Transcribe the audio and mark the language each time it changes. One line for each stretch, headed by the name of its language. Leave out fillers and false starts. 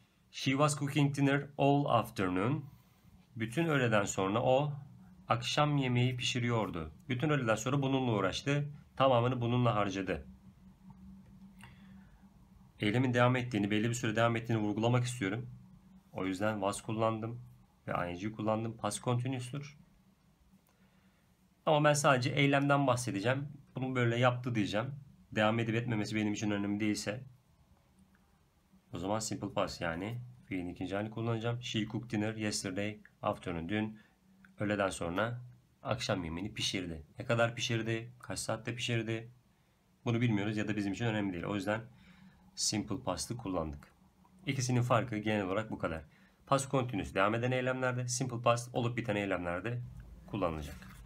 English: She was cooking dinner all afternoon.
Turkish: Bütün öğleden sonra o akşam yemeği pişiriyordu. Bütün öğleden sonra bununla uğraştı. Tamamını bununla harcadı. Eylemin devam ettiğini, belli bir süre devam ettiğini vurgulamak istiyorum. O yüzden was kullandım ve ing kullandım. Past continuous'tur. Ama ben sadece eylemden bahsedeceğim. Bunu böyle yaptı diyeceğim. Devam edip etmemesi benim için önemli değilse o zaman simple past, yani fiilin ikinci halini kullanacağım.
English: She cooked dinner yesterday afternoon.
Turkish: Dün öğleden sonra akşam yemeğini pişirdi. Ne kadar pişirdi? Kaç saatte pişirdi? Bunu bilmiyoruz ya da bizim için önemli değil. O yüzden simple past'ı kullandık. İkisinin farkı genel olarak bu kadar. Past continuous devam eden eylemlerde, simple past olup biten eylemlerde kullanılacak.